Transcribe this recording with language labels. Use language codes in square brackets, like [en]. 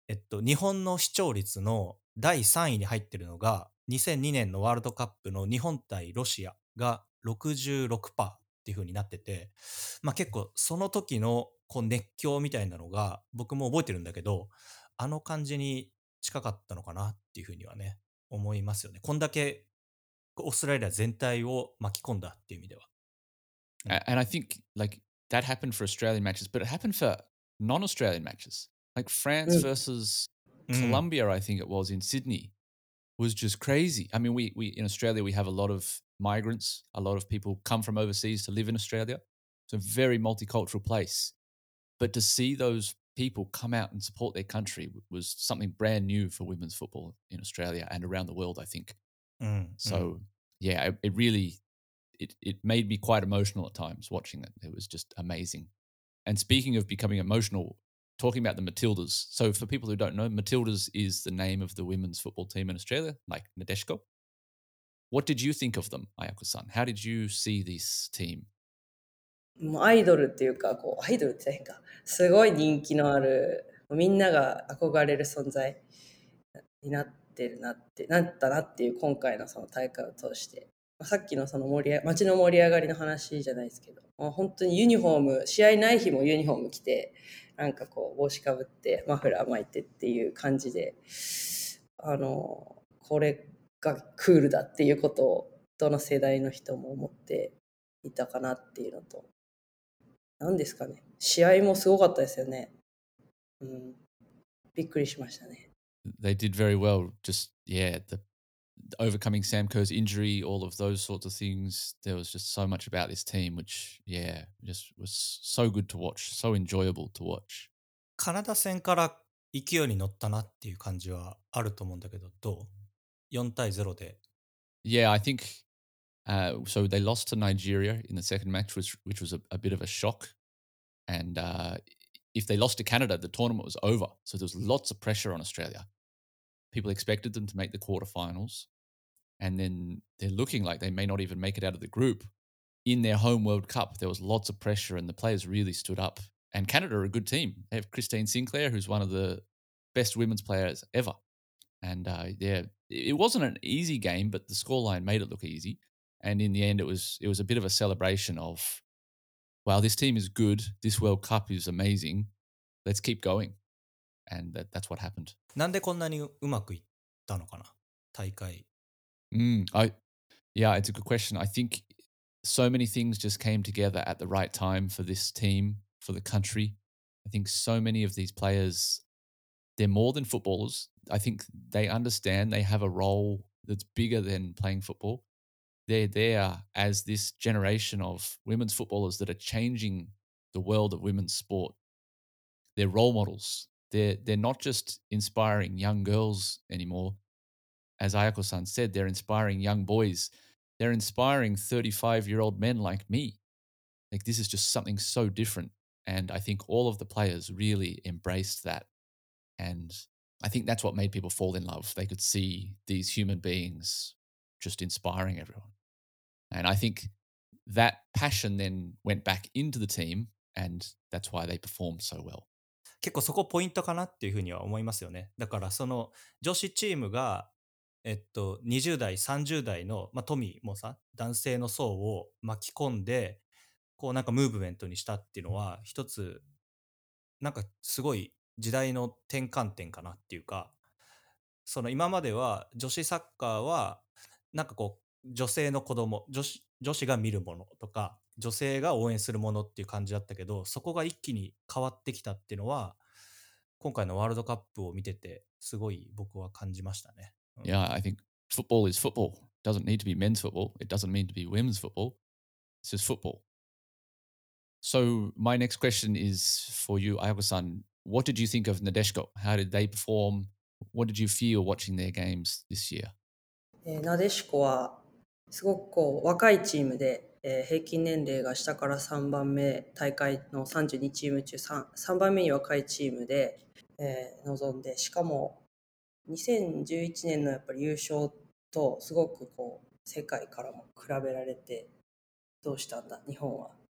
[ja] 日本の視聴率の第3位に入ってるのが2002年のワールドカップの日本対ロシアが 66%っていう風になってて、まあ、結構その時のこう熱狂みたいなのが僕も覚えてるんだけど、あの感じに近かったのかなっていう風にはね思いますよね。こんだけオーストラリア全体を巻き込んだっていう意味では、 [en] うん、And I think like that happened for Australian matches, but it happened for non-Australian matches. Like France versus Colombia, I think it was in Sydney, was just crazy. I mean, we in Australia we have a lot of migrants, a lot of people come from overseas to live in Australia. It's a very multicultural place. But to see those people come out and support their country was something brand new for women's football in Australia and around the world, I think. Yeah, it really made me quite emotional at times watching it. It was just amazing. And speaking of becoming emotional, talking about the Matildas. So for people who don't know, Matildas is the name of the women's football team in Australia, like Nadeshko. What did you think of them, Ayako-san? How did you see this team? [ja] もうアイドルっていうか、こうアイドルって何か、すごい人気のある、みんなが憧れる存在になってるなって、なったなっていう今回のその大会を通して、まあ、さっきのその街の盛り上がりの話じゃないですけど、まあ、本当にユニフォーム、試合ない日もユニフォーム着て、なんかこう帽子かぶってマフラー巻いてっていう感じで、これ、がクールだっていうことをどの世代の人も思っていたかなっていうのと、何ですかね、試合もすごかったですよね、びっくりしましたね。 [en] They did very well, just yeah, the overcoming Sam Kerr's injury, all of those sorts of things. There was just so much about this team which yeah just was so good to watch, so enjoyable to watch. [ja] カナダ戦から勢いに乗ったなっていう感じはあると思うんだけど、どう4-0 で。 [en] Yeah, I think so they lost to Nigeria in the second match, which was a bit of a shock. And if they lost to Canada, the tournament was over. So there was lots of pressure on Australia. People expected them to make the quarterfinals. And then they're looking like they may not even make it out of the group. In their home World Cup, there was lots of pressure and the players really stood up. And Canada are a good team. They have Christine Sinclair, who's one of the best women's players ever. And yeah, it wasn't an easy game, but the scoreline made it look easy. And in the end, it was a bit of a celebration of, wow, this team is good. This World Cup is amazing. Let's keep going. And that's what happened. [ja] なんでこんなにうまくいったのかな、大会。 [en] Yeah, it's a good question. I think so many things just came together at the right time for this team, for the country. I think so many of these players, they're more than footballers. I think they understand they have a role that's bigger than playing football. They're there as this generation of women's footballers that are changing the world of women's sport. They're role models. They're not just inspiring young girls anymore. As Ayako-san said, they're inspiring young boys. They're inspiring 35-year-old men like me. Like, this is just something so different. And I think all of the players really embraced that. And I think that's what made people fall in love. They could see these human beings just inspiring everyone. And I think that passion then went back into the team, and that's why they performed so well. [ja] 結構そこポイントかなっていうふうには思いますよね。だからその女子チームが、20代、30代の、まあ、トミーもさ、男性の層を巻き込んで、こうなんかムーブメントにしたっていうのは、一つなんかすごい時代の転換点かなっていうか、その今までは女子サッカーはなんかこう女性の子供、女子が見るものとか女性が応援するものっていう感じだったけど、そこが一気に変わってきたっていうのは今回のワールドカップを見ててすごい僕は感じましたね。 [en] Yeah, I think football is football. It doesn't need to be men's football. It doesn't mean to be women's football. It's just football. So my next question is for you, Ayako-san. What did you think of Nadeshiko? How did they perform? What did you feel watching their games this year? [ja] Nadeshiko はすごくこう若いチームで、平均年齢が下から3番目、大会の32チーム中 3番目に若いチームで、臨んで、しかも2011年のやっぱり優勝とすごくこう世界からも比べられて、どうしたんだ日本は、